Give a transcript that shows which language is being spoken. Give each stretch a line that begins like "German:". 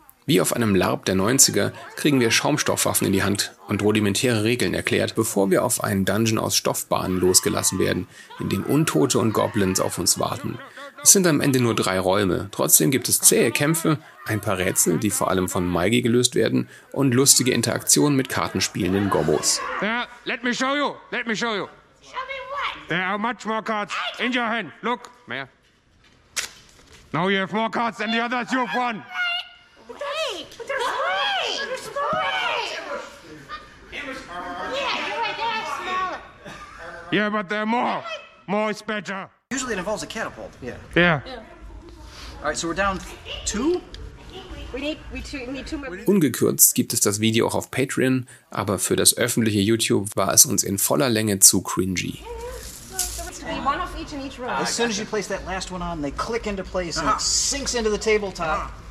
German: Wie auf einem LARP der 90er kriegen wir Schaumstoffwaffen in die Hand und rudimentäre Regeln erklärt, bevor wir auf einen Dungeon aus Stoffbahnen losgelassen werden, in dem Untote und Goblins auf uns warten. Es sind am Ende nur 3 Räume. Trotzdem gibt es zähe Kämpfe, ein paar Rätsel, die vor allem von Maigi gelöst werden, und lustige Interaktionen mit kartenspielenden Gobbos.
English: Let me show you. Let me show you. Show me what? There are much more cards in your hand. Look. Mehr. Now you have more cards than the others you've won. Yeah, but there are more. More is better. Usually it involves a catapult. Yeah. Yeah. Yeah. All right, so we're down 2.
German: Ungekürzt gibt es das Video auch auf Patreon, aber für das öffentliche YouTube war es uns in voller Länge zu cringy.
English: One of each in each row. As soon as you place that last one on, they click into place and it sinks into the tabletop.